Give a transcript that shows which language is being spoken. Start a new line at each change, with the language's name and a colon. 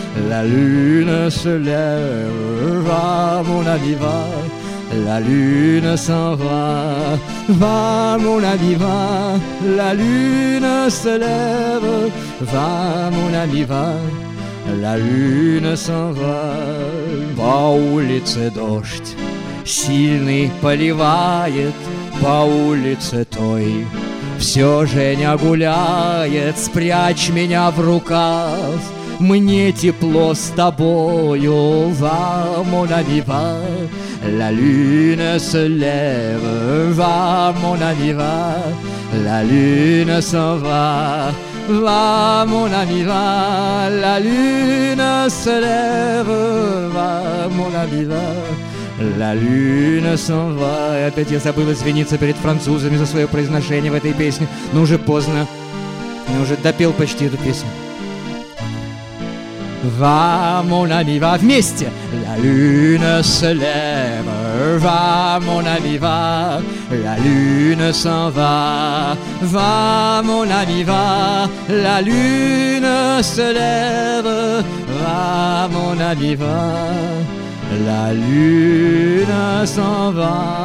French: la lune se lève, va mon ami va, la lune s'en va, va mon ami va, la lune se lève, va mon ami va, la lune s'en va.
Russian: По улице дождь сильный поливает, по улице той все Женя гуляет, спрячь меня в рукав, мне тепло с тобою,
French: va mon ami va, la lune se lève, va mon ami va, la lune s'en va. Va mon ami va, la lune se lève, va mon ami va, la lune s'en va.
Russian: И опять я забыл извиниться перед французами за свое произношение в этой песне, но уже поздно, я уже допел почти эту песню.
French: Va mon ami va,
Russian: вместе!
French: La lune se lève, va mon ami va, la lune s'en va, va mon ami va, la lune se lève, va mon ami va, la lune s'en va.